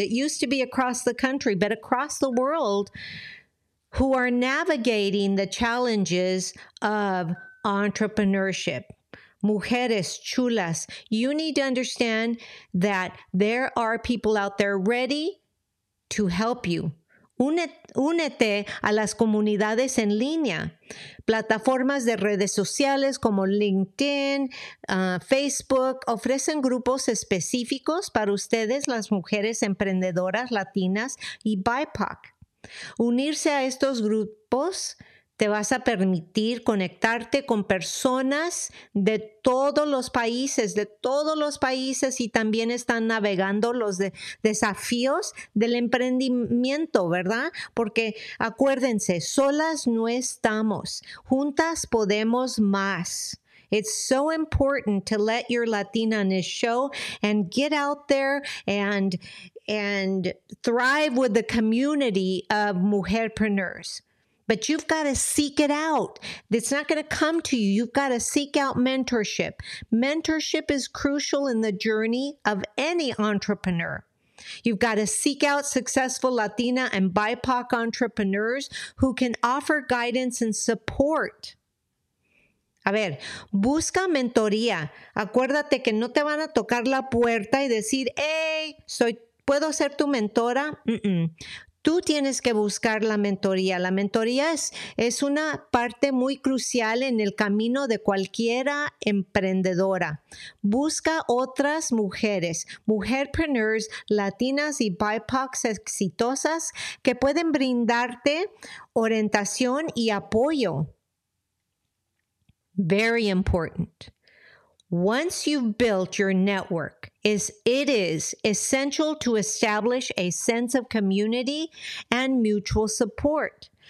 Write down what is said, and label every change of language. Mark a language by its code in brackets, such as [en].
[en] It used to be across the country, but across the world, who are navigating the challenges of entrepreneurship. [es] Mujeres chulas, [en] you need to understand that there are people out there ready to help you [es] Únete a las comunidades en línea, plataformas de redes sociales como LinkedIn, Facebook, ofrecen grupos específicos para ustedes, las mujeres emprendedoras latinas y BIPOC. Unirse a estos grupos te vas a permitir conectarte con personas de todos los países, y también están navegando los desafíos del emprendimiento, ¿verdad? Porque acuérdense, solas no estamos, juntas podemos más. [en] It's so important to let your Latinas show and get out there and thrive with the community of mujerpreneurs. But you've got to seek it out. It's not going to come to you. You've got to seek out mentorship. Mentorship is crucial in the journey of any entrepreneur. You've got to seek out successful Latina and BIPOC entrepreneurs who can offer guidance and support. [es] A ver, busca mentoría. Acuérdate que no te van a tocar la puerta y decir, hey, ¿puedo ser tu mentora? Mm-mm. Tú tienes que buscar la mentoría. La mentoría es una parte muy crucial en el camino de cualquiera emprendedora. Busca otras mujeres, mujerpreneurs, latinas y BIPOCs exitosas que pueden brindarte orientación y apoyo. [en] Very important. Once you've built your network, it is essential to establish a sense of community and mutual support.